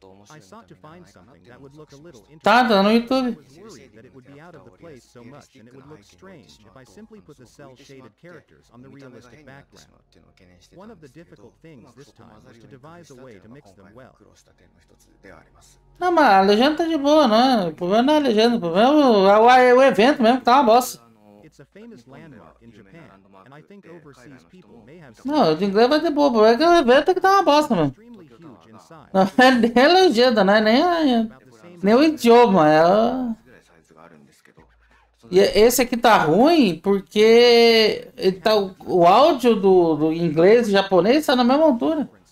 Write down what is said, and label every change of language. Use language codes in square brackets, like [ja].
[en] I sought to find something that would look a little interesting. [pt] Tá no YouTube. [en] I was worried that it would be out of the place so much and it would look strange if I simply put the cel-shaded characters on the realistic background. One of the difficult things this time was to devise a way to mix them well. [pt] Não, mas a legenda tá de boa, né? O problema não é a legenda, o problema é o evento mesmo, que tá uma bosta. [en] It's a famous landmark in Japan, and I think overseas people may have... [pt] Não, o inglês vai ter boa, porque o evento tem que dar uma bosta, mano. Não, é nem a legenda, né? Nem o idioma, é... E esse aqui tá ruim, porque tá, o áudio do inglês e japonês tá na mesma altura.